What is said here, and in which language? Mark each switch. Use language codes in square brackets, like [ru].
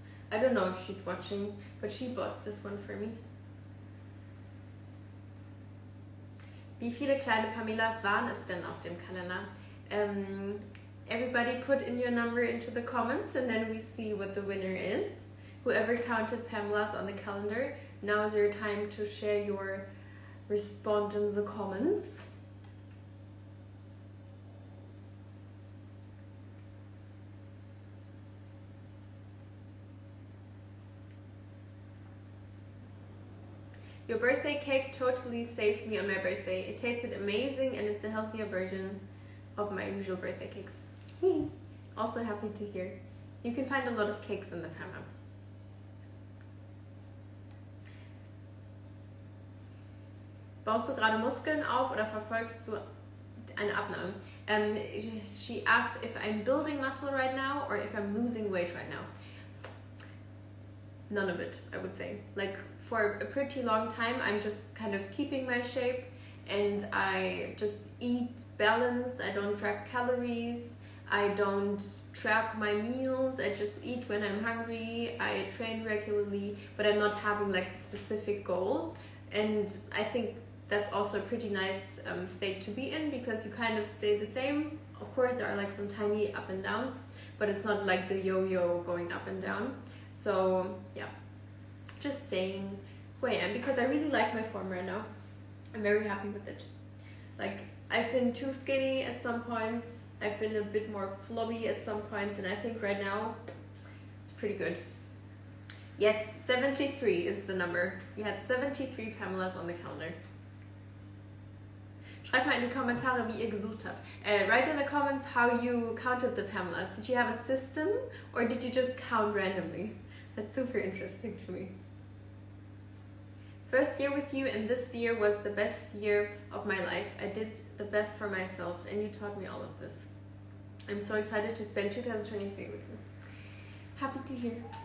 [en] I don't know if she's watching, but she bought this one for me. [de] Wie viele kleine Pamelas waren es denn auf dem Kalender? [en] Everybody put in your number into the comments and then we see what the winner is. Whoever counted Pamelas on the calendar, now is your time to share your response in the comments. Your birthday cake totally saved me on my birthday. It tasted amazing and it's a healthier version of my usual birthday cakes. Also happy to hear. You can find a lot of cakes in the Pamela. [de] Baust du gerade Muskeln auf oder verfolgst du eine Abnahme? [en] She asked if I'm building muscle right now or if I'm losing weight right now. None of it, I would say. Like, for a pretty long time, I'm just kind of keeping my shape and I just eat balanced. I don't track calories. I don't track my meals. I just eat when I'm hungry. I train regularly, but I'm not having like a specific goal. And I think that's also a pretty nice state to be in because you kind of stay the same. Of course, there are like some tiny up and downs, but it's not like the yo-yo going up and down. So yeah, just staying where I am because I really like my form right now. I'm very happy with it. Like, I've been too skinny at some points. I've been a bit more flobby at some points, and I think right now it's pretty good. Yes, 73 is the number. You had 73 Pamelas on the calendar. [de] Schreibt mal in die Kommentare, wie ihr gesucht habt. [en] Write in the comments how you counted the Pamelas. Did you have a system or did you just count randomly? That's super interesting to me. First year with you and this year was the best year of my life. I did the best for myself and you taught me all of this. I'm so excited to spend 2023 with you. Happy to hear.